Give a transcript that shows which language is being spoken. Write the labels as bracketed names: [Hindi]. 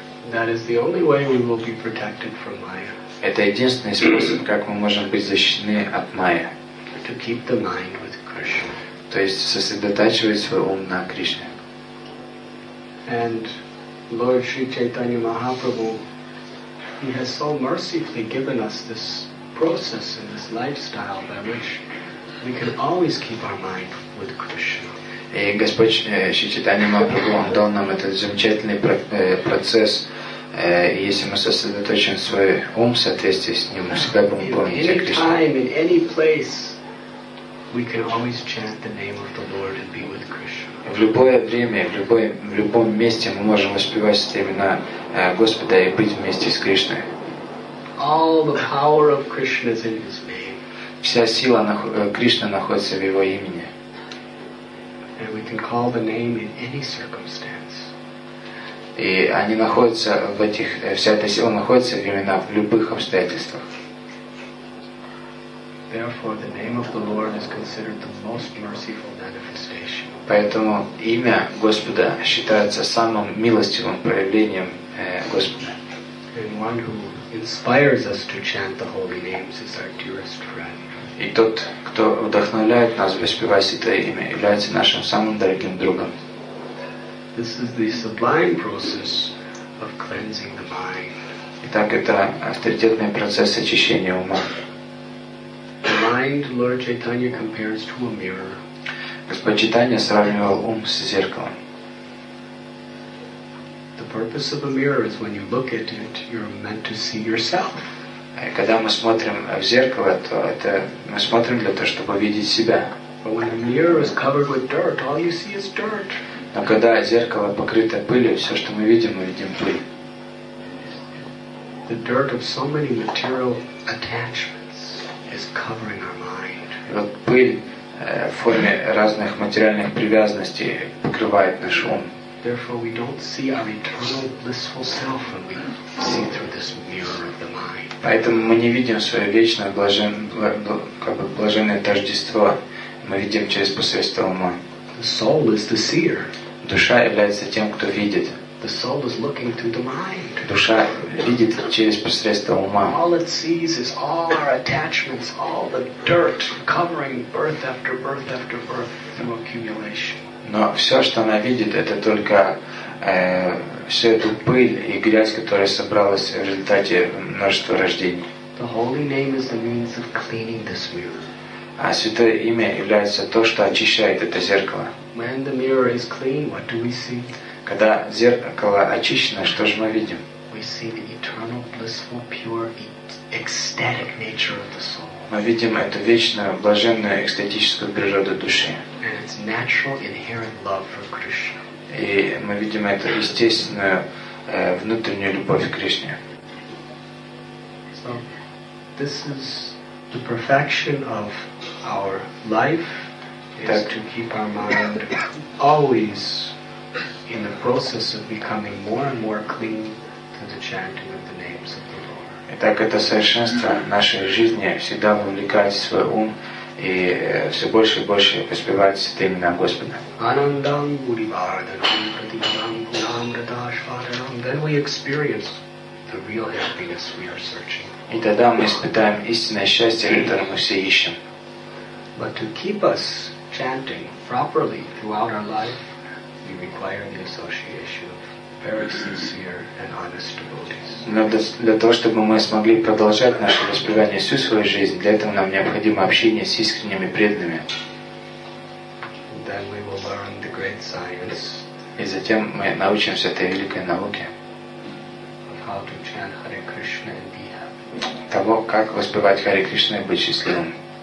[English] That is the only way we will be protected from Maya. [Russian] Это единственный способ, как мы можем быть защищены от Майя. [English] To keep the mind with Krishna. [Russian] То есть сосредотачивать свой ум на Кришне. [English] And Lord Sri Chaitanya Mahaprabhu, he has so mercifully given us this process and this lifestyle by which we can always keep our mind with Krishna. [Russian] И Господь Шри Чайтанья Махапрабху, он дал нам этот замечательный процесс. Если мы сосредоточим свой ум в соответствии с ним, мы всегда будем помнить о Кришне. [English] In any time, in any place, we can always chant the name of the Lord and be with Krishna. [Russian] В любое время, в любом месте мы можем воспевать эти имена Господа и быть вместе с Кришной. [English] All the power of Krishna is in His name. [Russian] Вся сила Кришны находится в Его имени. [English] And we can call the name in any circumstance. [Russian] И они находятся в этих, вся эта сила находится в имена в любых обстоятельствах. [English] Therefore, the name of the Lord is considered the most merciful manifestation. [Russian] Поэтому имя Господа считается самым милостивым проявлением Господа. [English] And one who inspires us to chant the holy names is our dearest friend. [Russian] И тот, кто вдохновляет нас воспевать Святое Имя, является нашим самым дорогим другом. [English] This is the sublime process of cleansing the mind. [Russian] Итак, это авторитетный процесс очищения ума. [English] Mind, Lord Chaitanya compares to a mirror. [Russian] Господь Чайтанья сравнивал ум с зеркалом. [English] The purpose of a mirror is when you look at it, you're meant to see yourself. [Russian] Когда мы смотрим в зеркало, то это мы смотрим для того, чтобы видеть себя. [English] But when a mirror is covered with dirt, all you see is dirt. [Russian] Но когда зеркало покрыто пылью, все, что мы видим пыль. [English] The dirt of so many material attachments. Is covering our mind. [Russian] Вот пыль в форме разных материальных привязанностей покрывает наш ум. [English] Therefore, we don't see our eternal blissful self when we see through this mirror of the mind. [Russian] Поэтому мы не видим свое вечное блаженное тождество. Мы видим через посредство ума. [English] The soul is the seer. [Russian] Душа является тем, кто видит. [English] The soul is looking through the mind. [Russian] Душа видит через посредством ума. [English] All it sees is all our attachments, all the dirt covering birth after birth after birth through accumulation. [Russian] Но все, что она видит, это только всю эту пыль и грязь, которая собралась в результате множества рождений. [English] The holy name is the means of cleaning this mirror. [Russian] А святое имя является то, что очищает это зеркало. [English] When the mirror is clean, what do we see? [Russian] Когда зеркало очищено, что же мы видим? [English] We see the eternal, blissful, pure, ecstatic nature of the soul. [Russian] Мы видим эту вечную, блаженную, экстатическую природу души. [English] And its natural, inherent love for Krishna. [Russian] И мы видим эту естественную, внутреннюю любовь к Кришне. [English] So, this is the perfection of our life, is так. To keep our mind always in the process of becoming more and more clean through the chanting of the names of the Lord. [Russian] Итак, это совершенство нашей жизни всегда вовлекать свой ум и все больше и больше воспевать святые имена Господа. [Sanskrit] Анандам Гуривардханам Пратиядам Гунамритасватанам. [English] Then we experience the real happiness we are searching. [Russian] И тогда мы испытаем истинное счастье, которое мы все ищем. [English] But to keep us chanting properly throughout our life, we require the association of very sincere and honest devotees. [Russian] Но для того, чтобы мы смогли продолжать наше воспевание всю свою жизнь, для этого нам необходимо общение с искренними преданными. [English] Then we will learn the great science. [Russian] И затем мы научимся этой великой науке. [English] Of how to chant Hare Krishna and be happy. [Russian] Того, как воспевать Харе Кришну и быть счастливым.